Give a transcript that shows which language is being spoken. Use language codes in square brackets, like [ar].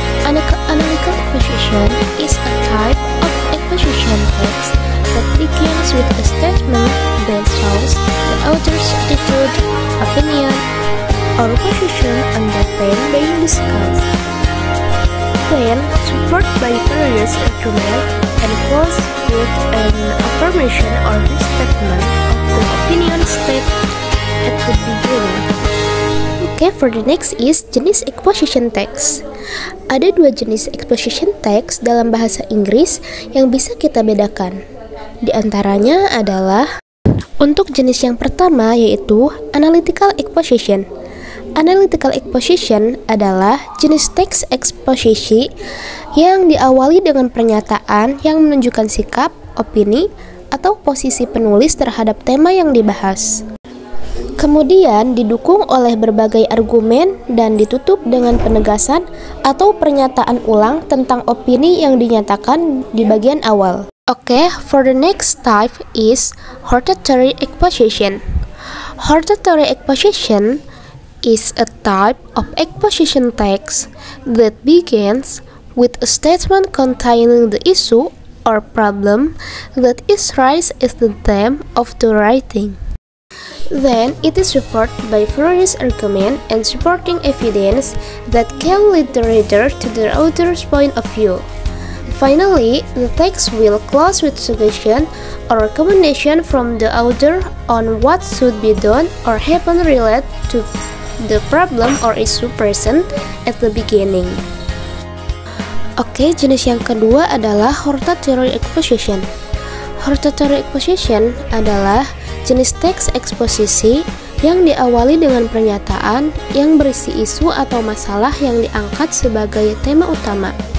[en] Analytical exposition is a type of exposition text that begins with a statement that shows the author's attitude, opinion, or position on the theme being discussed. Then, supported by various arguments and closed with an affirmation or restatement of the opinion stated at the beginning. Okay, for the next is jenis exposition text. [id] Ada dua jenis exposition text dalam bahasa Inggris yang bisa kita bedakan. Di antaranya adalah untuk jenis yang pertama yaitu analytical exposition. Analytical exposition adalah jenis teks eksposisi yang diawali dengan pernyataan yang menunjukkan sikap, opini, atau posisi penulis terhadap tema yang dibahas. Kemudian didukung oleh berbagai argumen dan ditutup dengan penegasan atau pernyataan ulang tentang opini yang dinyatakan di bagian awal. [en] Okay, for the next type is hortatory exposition. Hortatory exposition is a type of exposition text that begins with a statement containing the issue or problem that is raised as the theme of the writing. Then, it is supported by various arguments and supporting evidence that can lead the reader to the author's point of view. Finally, the text will close with suggestion or recommendation from the author on what should be done or happen related to the problem or issue present at the beginning. [id] Okay, jenis yang kedua adalah hortatory exposition. Hortatory exposition adalah jenis teks eksposisi yang diawali dengan pernyataan yang berisi isu atau masalah yang diangkat sebagai tema utama.